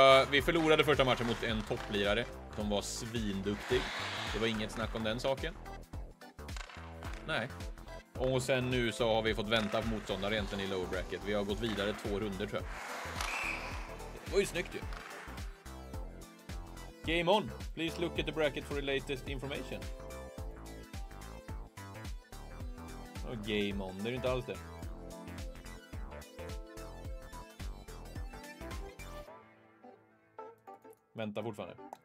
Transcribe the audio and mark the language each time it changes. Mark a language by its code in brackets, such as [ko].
[sv] Vi förlorade första matchen mot en topplirare. De var svinduktig. Det var inget snack om den saken. Nej. Och sen nu så har vi fått vänta på motståndare egentligen i lower bracket. Vi har gått vidare två runder, tror jag. Det var ju snyggt ju. [en] Game on! Please look at the bracket for the latest information. [sv] Och [en] game on, [sv] det är inte alls det. Vänta fortfarande.